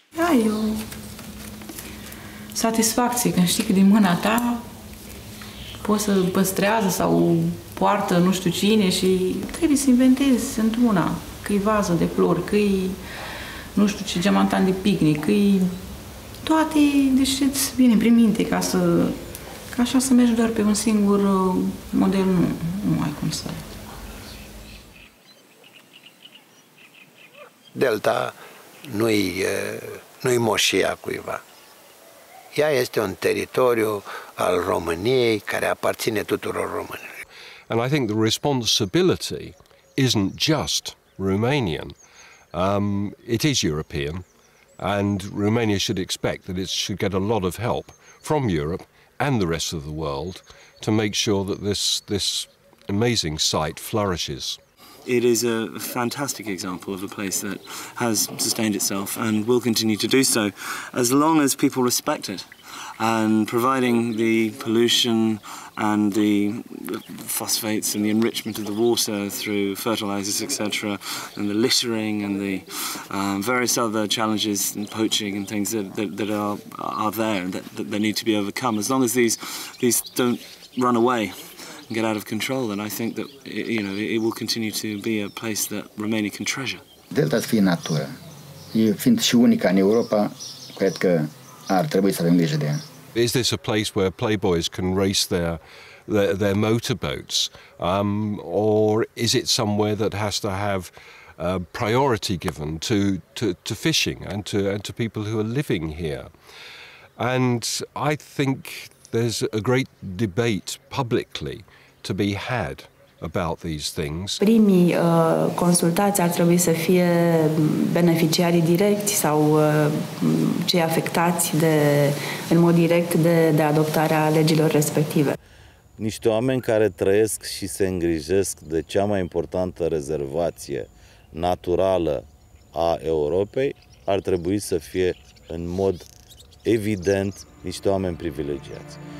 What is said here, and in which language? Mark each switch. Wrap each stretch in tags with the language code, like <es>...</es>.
<ro>Ai o satisfacție când știi că din mâna ta poți să păstrează sau poartă nu știu cine și trebuie să inventezi într-una, că-i vază de flori, că-i nu știu ce geamantan de picnic, că-i toate, deci îți vine prin minte ca să, ca așa să mergi doar pe un singur model, nu ai cum să... Delta nu-i moșia cuiva. Ea este un teritoriu al României care aparține tuturor românilor.</ro> <en>And I think the responsibility isn't just Romanian. It is European, and Romania should expect that it should get a lot of help from Europe and the rest of the world to make sure that this amazing site flourishes. It is a fantastic example of a place that has sustained itself and will continue to do so as long as people respect it. And providing the pollution and the phosphates and the enrichment of the water through fertilizers, etc., and the littering and the various other challenges and poaching and things that are there and that need to be overcome, as long as these don't run away, get out of control, and I think that it will continue to be a place that Romania can treasure.</en> <ro>Delta fiind natură, fiind și unica în Europa, cred că ar trebui să avem grijă de ea.</ro> <en>Is this a place where playboys can race their motorboats, or is it somewhere that has to have priority given to fishing and to people who are living here? And I think there's a great debate publicly to be had about these things.</en> <ro>Primii consultați ar trebui să fie beneficiarii direcți sau cei afectați de în mod direct de adoptarea legilor respective. Niște oameni care trăiesc și se îngrijesc de cea mai importantă rezervație naturală a Europei ar trebui să fie în mod evident niște oameni privilegiați.</ro>